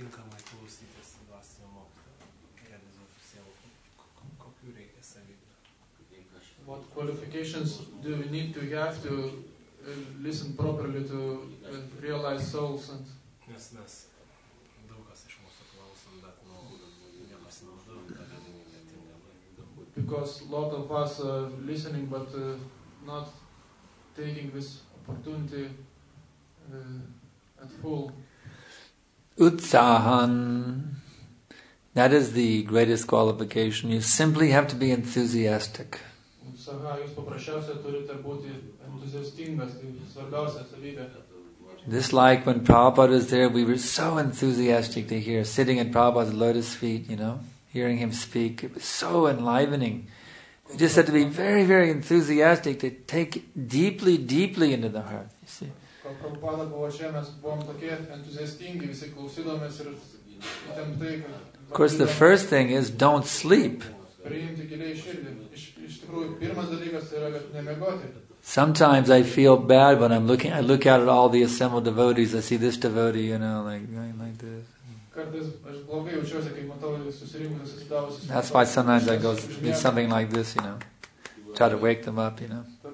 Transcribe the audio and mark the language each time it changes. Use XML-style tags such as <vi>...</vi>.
<lt>tinkamai klausytis dvasinio mokymo, kokių reikia savybių.</lt> <en>What qualifications do you need to have to listen properly to realize souls and</en> <lt>yes, mes daug kas iš mūsų klausom, bet nu, nepasinaudojom tą galimybę tinkamai.</lt> <en>Because a lot of us are listening, but not taking this opportunity at full.</en> <sa>Utsahan.</sa> <en>That is the greatest qualification. You simply have to be enthusiastic.</en> <lt>Utsaha, jūs paprasčiausiai turite būti entuziastingas, tai svarbiausia savybė.</lt> <en>This like when Prabhupada is there, we were so enthusiastic to hear, sitting at Prabhupada's lotus feet, you know, hearing him speak. It was so enlivening. We just had to be very, very enthusiastic to take deeply, deeply into the heart, you see.</en> <lt>Kol Prabhupada buvo čia, mes buvom tokie entuziastingi, visi klausydomės ir įtemptai.</lt> <en>Of course, the first thing is don't sleep.</en> <lt>Priimti giliai širdį. Iš tikrųjų, pirmas dalykas yra, kad nemiegoti.</lt> <en>Sometimes I feel bad when I'm looking, I look out at all the assembled devotees, I see this devotee, you know, like going like this. That's why sometimes I go do something like this, you know, try to wake them up, you know.</en>